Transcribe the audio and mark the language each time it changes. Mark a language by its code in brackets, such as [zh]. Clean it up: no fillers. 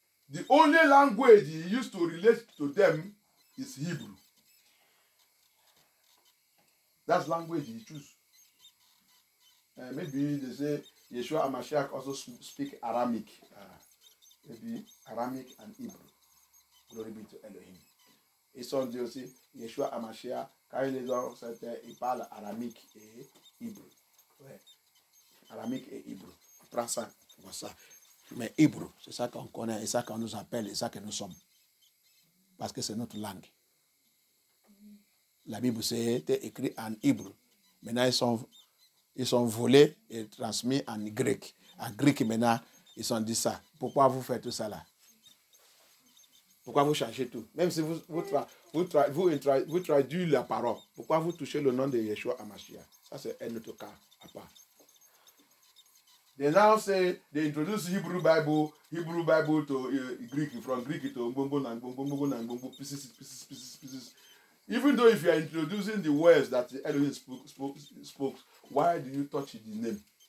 [en] The only language he used to relate to them is Hebrew. That's language he choose. Maybe they say Yeshua HaMashiach also speak Aramaic. Maybe Aramaic and Hebrew. Glory be to Elohim. [fr] Et son Dieu aussi, Yeshua HaMashiach, quand il est dans cette terre, il parle Aramaic et Hebrew. Ouais. Aramaic et Hebrew. Prends ça, vois ça. Mais hébreu, c'est ça qu'on connaît, et ça qu'on nous appelle, et ça que nous sommes. Parce que c'est notre langue. La Bible s'était écrite en hébreu. Maintenant, ils sont volés et transmis en grec. En grec, maintenant, ils ont dit ça. Pourquoi vous faites tout ça là? Pourquoi vous changez tout? Même si vous traduisez la parole, pourquoi vous touchez le nom de Yeshua HaMashiach? Ça, c'est un autre cas à part. [en] They now say they introduce Hebrew Bible to Greek, from Greek to pieces. Even though if you are introducing the words that Elohim spoke, why do you touch the name?